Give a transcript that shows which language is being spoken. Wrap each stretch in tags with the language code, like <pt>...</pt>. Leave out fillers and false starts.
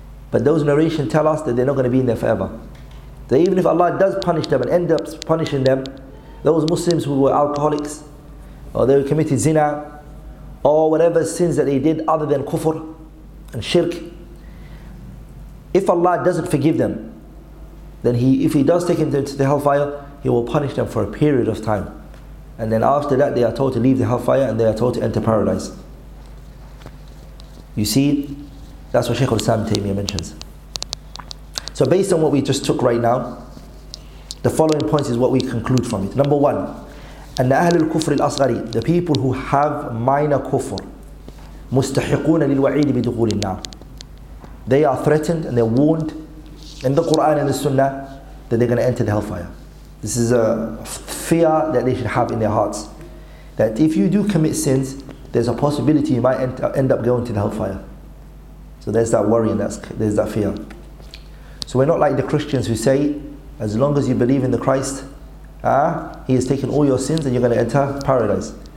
<en>But those narrations tell us that they're not going to be in there forever. That even if Allah does punish them and end up punishing them, those Muslims who were alcoholics, or they committed zina, or whatever sins that they did other than kufr and shirk, if Allah doesn't forgive them, then if He does take them to the hellfire, He will punish them for a period of time. And then after that, they are told to leave the hellfire and they are told to enter paradise. You see, that's what Shaykh al-Islam Taymiyyah mentions. So based on what we just took right now, the following points is what we conclude from it. Number one,</en> <ar>أن أهل الكفر الأصغري,</ar> <en>the people who have minor kufr,</en> <ar>مستحقون للوعيد بدخول النار.</ar> <en>They are threatened and they're warned in the Quran and the Sunnah that they're going to enter the hellfire. This is a fear that they should have in their hearts. That if you do commit sins, there's a possibility you might end up going to the hellfire. So there's that worry and there's that fear. So we're not like the Christians who say, as long as you believe in the Christ, He has taken all your sins and you're going to enter paradise.</en>